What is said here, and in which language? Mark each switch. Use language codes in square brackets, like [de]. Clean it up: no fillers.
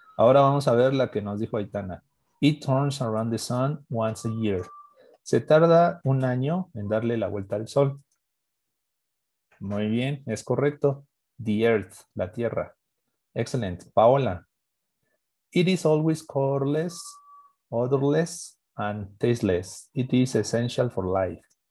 [es] Ahora vamos a ver la que nos dijo Aitana. [en] It turns around the sun once a year. [es] Se tarda un año en darle la vuelta al sol. Muy bien, es correcto. [en] The earth, [es] la tierra. Excelente. Paola. [en] It is always colorless, odorless, and tasteless. It is essential for life.